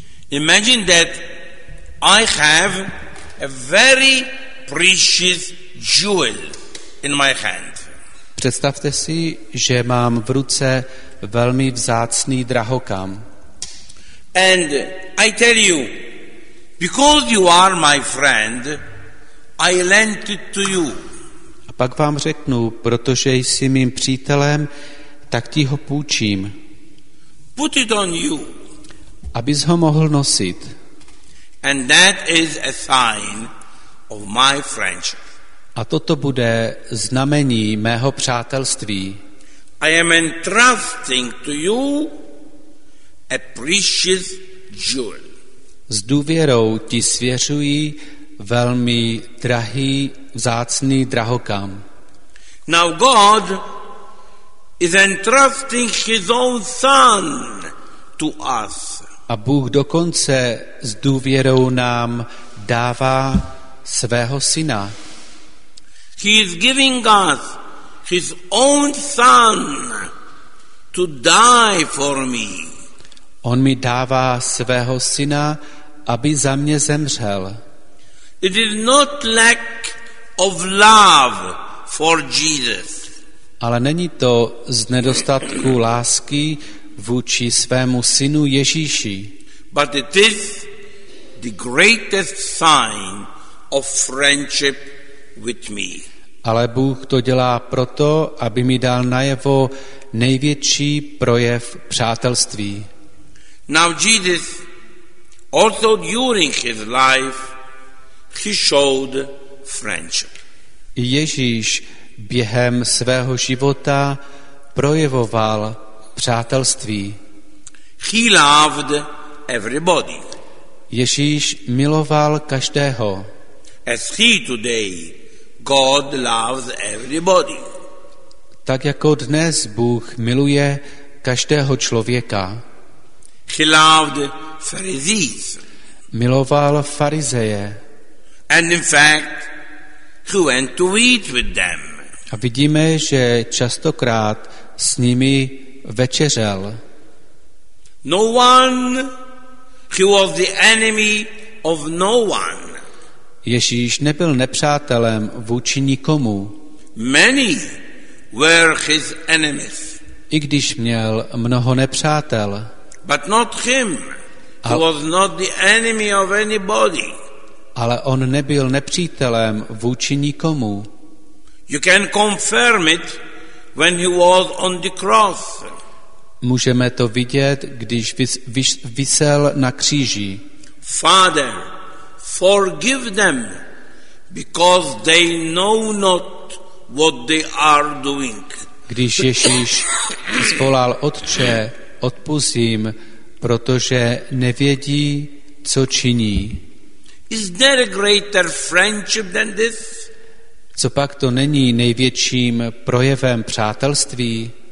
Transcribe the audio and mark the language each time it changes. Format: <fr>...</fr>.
<en>Imagine that I have a very precious jewel in my hand.</en> <cs>Představte si, že mám v ruce velmi vzácný drahokam.</cs> <en>And I tell you, because you are my friend, I lent it to you.</en> <cs>A pak vám řeknu, protože jsi mým přítelem, tak ti ho půjčím.</cs> <en>Put it on you.</en> <cs>Abys ho mohl nosit.</cs> <en>And that is a sign of my friendship.</en> <cs>A toto bude znamení mého přátelství.</cs> <en>I am entrusting to you a precious jewel.</en> <cs>S důvěrou ti svěřuji velmi drahý, vzácný drahokam.</cs> <en>Now God is entrusting his own son to us.</en> <cs>A Bůh dokonce s důvěrou nám dává svého syna.</cs> <en>He is giving us his own son to die for me.</en> <cs>On mi dává svého syna, aby za mě zemřel.</cs> <en>It is not lack of love for Jesus.</en> <cs>Ale není to z nedostatku lásky vůči svému synu Ježíši.</cs> <en>But it is the greatest sign of friendship with me.</en> <cs>Ale Bůh to dělá proto, aby mi dal najevo největší projev přátelství.</cs> <en>Now Jesus also during his life he showed friendship.</en> <cs>Ježíš během svého života projevoval přátelství.</cs> <en>He loved everybody.</en> <cs>Ježíš miloval každého.</cs> <en>As he today, God loves everybody.</en> <cs>Tak jako dnes Bůh miluje každého člověka.</cs> <en>He loved Pharisees.</en> <cs>Miloval farizeje.</cs> <en>And in fact, he went to eat with them.</en> <cs>A vidíme, že častokrát s nimi večeřel.</cs> <en>No one, he was the enemy of no one.</en> <cs>Ježíš nebyl nepřátelem vůči nikomu.</cs> <en>Many were his enemies.</en> <cs>I když měl mnoho nepřátel.</cs> <en>But not him. He was not the enemy of anybody.</en> <cs>Ale on nebyl nepřítelem vůči nikomu.</cs> <en>You can confirm it when he was on the cross.</en> <cs>Můžeme to vidět, když visel na kříži.</cs> <en>Father, forgive them, because they know not what they are doing.</en> <cs>Když Ježíš zvolal Otče, odpusť jim, protože nevědí, co činí.</cs> <en>Is there a greater friendship than this?</en> <cs>Copak to není největším projevem přátelství?</cs>